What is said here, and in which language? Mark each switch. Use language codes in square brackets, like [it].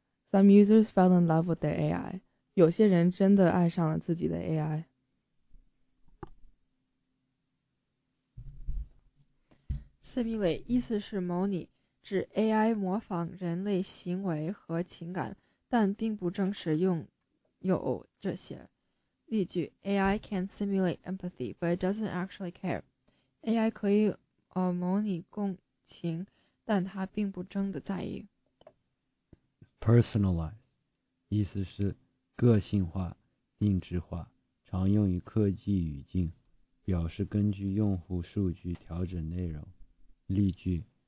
[en] Some users fell in love with their AI. [zh] 有些人真的爱上了自己的 AI. 意思是模拟，指 AI 模仿人类行为和情感，但并不真实有这些。例句， [en] AI can simulate empathy, but it doesn't actually care. [zh] AI 可以模拟共情，但它并不真的在意。 Personalize, 意思是个性化、定制化，常用于科技语境，表示根据用户数据调整内容。例句，